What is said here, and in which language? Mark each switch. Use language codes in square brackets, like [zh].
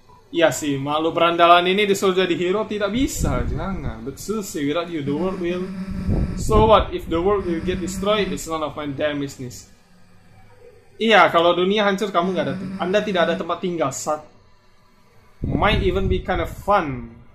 [id] Iya sih, malu berandalan ini disuruh jadi hero tidak bisa, jangan. [en] But Susie, without you, the world will... So what? If the world will get destroyed, it's none of my damn business. [id] Iya, kalau dunia hancur, kamu nggak ada... Anda tidak ada tempat tinggal, Sat. [en] Might even be kind of fun.